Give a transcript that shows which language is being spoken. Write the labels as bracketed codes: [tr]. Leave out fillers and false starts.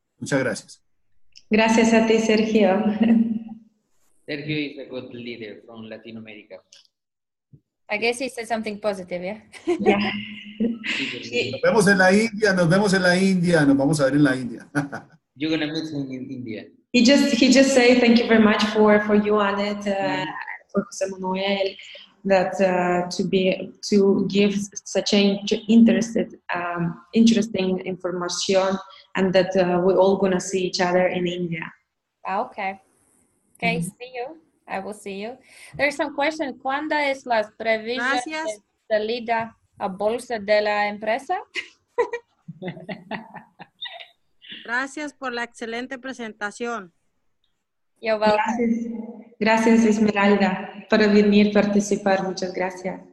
[es] Muchas gracias. Gracias a ti, Sergio. [en] Sergio is a good leader from Latin America. I guess he said something positive, yeah? [es] Nos vemos en la India, nos vemos en la India, nos vamos a ver en la India. [en] You're gonna meet him in India. He just say thank you very much for you, Annette, for José Manuel, that to give such an interesting information, and that we're all gonna see each other in India. Okay, mm-hmm. See you. I will see you. There's some question. [es] ¿Cuándo es las previsiones de salida a bolsa de la empresa? Gracias por la excelente presentación. [en] You're welcome. [es] Gracias, Esmeralda, por venir a participar. Muchas gracias.